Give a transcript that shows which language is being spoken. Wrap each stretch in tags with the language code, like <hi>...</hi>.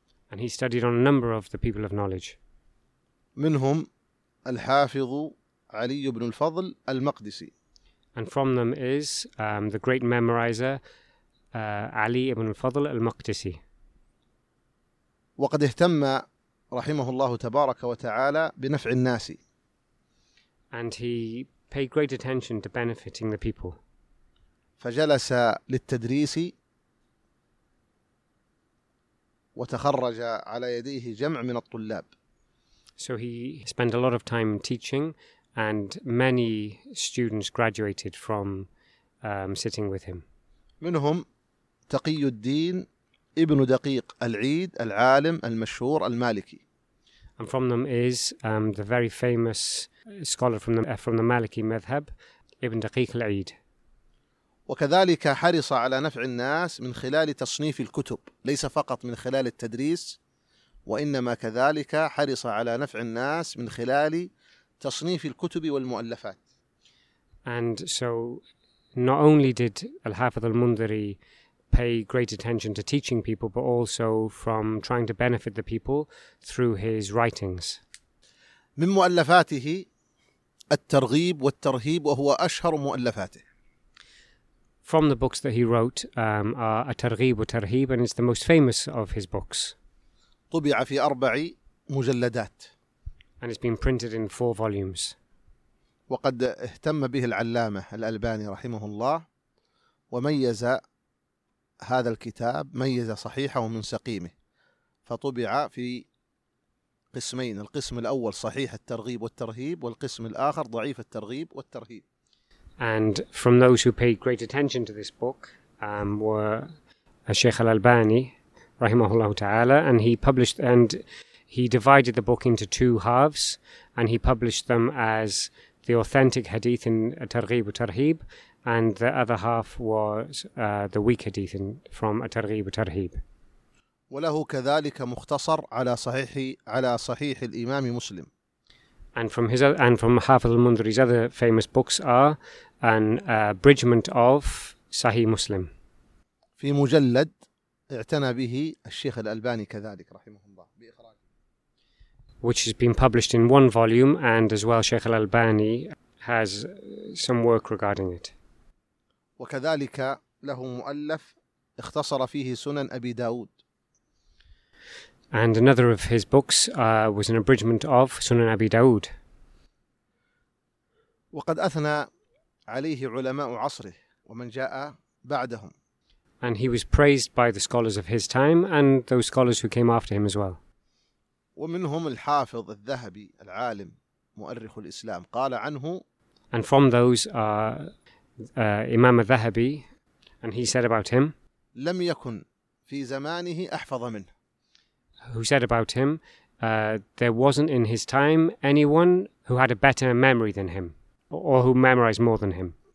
<en>And he studied on a number of the people of knowledge.</en> <ar>منهم الحافظ علي بن الفضل المقدسي.</ar> <en>And from them is the great memorizer علي بن الفضل المقدسي.</en> <ar>وقد اهتم رحمه الله تبارك وتعالى بنفع الناس.</ar> <en>And he paid great attention to benefiting the people.</en> <ar>فجلس للتدريس وتخرج على يديه جمع من الطلاب.</ar> <en>So he spent a lot of time teaching and many students graduated from sitting with him.</en> <ar>منهم تقي الدين ابن دقيق العيد العالم المشهور المالكي.</ar> <en>And from them is the very famous scholar from the Maliki madhhab, Ibn Daqiq al-Eid.</en> <ar>وكذلك حرص على نفع الناس من خلال تصنيف الكتب ليس فقط من خلال التدريس وإنما كذلك حرص على نفع الناس من خلال تصنيف الكتب والمؤلفات.</ar> <en>And so not only did Al-Hafidh Al-Mundhiri pay great attention to teaching people but also from trying to benefit the people through his writings.</en> <ar>من مؤلفاته الترغيب والترهيب وهو أشهر مؤلفاته.</ar> <en>From the books that he wrote are At-Targhib wa Tarhib and it's the most famous of his books.</en> <ar>طبع في أربع مجلدات.</ar> <en>And it's been printed in four volumes.</en> <ar>وقد اهتم به العلامة الألباني رحمه الله وميز هذا الكتاب ميز صحيحه من سقيمه فطبع في قسمين القسم الأول صحيح الترغيب والترهيب والقسم الآخر ضعيف الترغيب والترهيب.</ar> <en>And from those who paid great attention to this book were Sheikh Al-Albani rahimahullah ta'ala and he published and he divided the book into two halves and he published them as the authentic hadith in At-Targhib wa Tarhib and the other half was the weak hadith in, from At-Targhib wa Tarhib.</en> <ar>وله كذلك مختصر على صحيح الإمام مسلم.</ar> <en>And from Hafidh Al-Mundhiri's other famous books are an abridgment of Sahih Muslim.</en> <ar>في مجلد اعتنى به الشيخ الألباني كذلك رحمه الله بإخراجه.</ar> <en>Which has been published in one volume and as well Sheikh Al-Albani has some work regarding it.</en> <ar>وكذلك له مؤلف اختصر فيه سنن أبي داود.</ar> <en>And another of his books was an abridgment of Sunan Abi Dawud.</en> <ar>وقد أثنى عليه علماء عصره ومن جاء بعدهم.</ar> <en>And he was praised by the scholars of his time and those scholars who came after him as well.</en> <ar>ومنهم الحافظ الذهبي العالم مؤرخ الإسلام قال عنه.</ar> <en>And from those Imam al-Dhahabi and he said about him.</en> <ar>لم يكن في زمانه أحفظ منه.</ar> <en>Who said about him, there wasn't in his time anyone who had a better memory than him, or who memorized more than him.</en>